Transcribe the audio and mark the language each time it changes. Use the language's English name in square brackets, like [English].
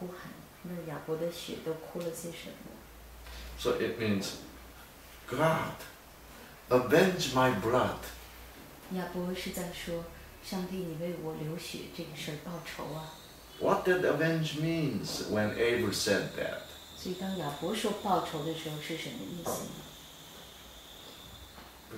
[Chinese] 所以他说，你兄弟的血，亚伯向我哭喊。那亚伯的血都哭了些什么？ [English] So it means, God, avenge my blood. [Chinese] 亚伯是在说，上帝，你为我流血这个事儿报仇啊。 [English] What did avenge means when Abel said that? [Chinese] 所以当亚伯说报仇的时候是什么意思呢?